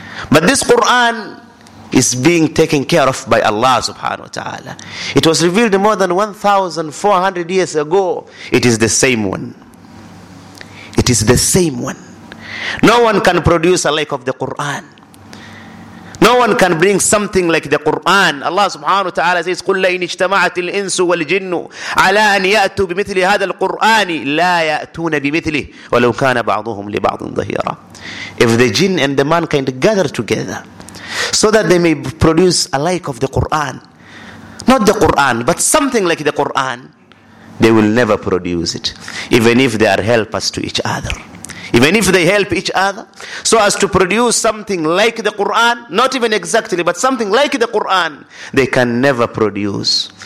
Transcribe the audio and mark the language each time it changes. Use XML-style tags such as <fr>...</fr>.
<en>But this Quran is being taken care of by Allah subhanahu wa ta'ala. It was revealed more than 1,400 years ago. It is the same one. It is the same one. No one can produce a like of the Quran. No one can bring something like the Quran.</en> <ar>Allah subhanahu wa ta'ala says, قُلْ لَيْنِ اجْتَمَعَتِ الْإِنسُ وَالْجِنُّ عَلَىٰ أَنْ يَأْتُوا بِمِثْلِ هَذَا الْقُرْآنِ لَا يَأْتُونَ بِمِثْلِهِ وَلَوْ كَانَ بَعْضُهُمْ لِبَعْضٍ ظَهِيرًا.</ar> <en>If the jinn and the mankind gather together so that they may produce a like of the Quran, not the Quran, but something like the Quran, they will never produce it, even if they are helpers to each other. Even if they help each other so as to produce something like the Quran, not even exactly, but something like the Quran, they can never produce.</en>